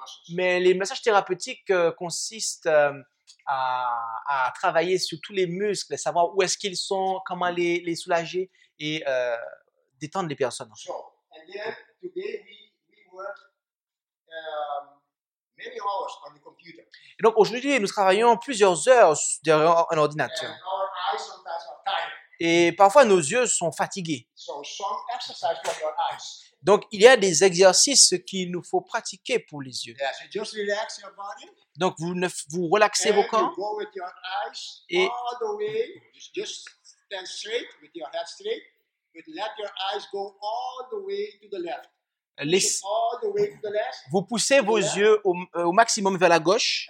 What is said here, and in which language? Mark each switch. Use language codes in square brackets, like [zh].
[fr] Mais les massages thérapeutiques consistent à travailler sur tous les muscles, savoir où est-ce qu'ils sont, comment les soulager. Et détendre les personnes. [en] So, and then today we work many hours on the computer. [fr] Et donc aujourd'hui nous travaillons plusieurs heures derrière un ordinateur. [en] And our eyes sometimes are tired. [fr] Et parfois nos yeux sont fatigués. [en] So, some exercise for your eyes. [fr] Donc il y a des exercices qu'il nous faut pratiquer pour les yeux. [en] Yeah, so just relax your body. [fr] Donc vous relaxez [en] and [fr] vos corps. [en] You go with your eyes et all the way, just stand straight with your head straight, but let your eyes go all the way to the left. All the way to the left. [fr] Vous poussez vos yeux au maximum vers la gauche.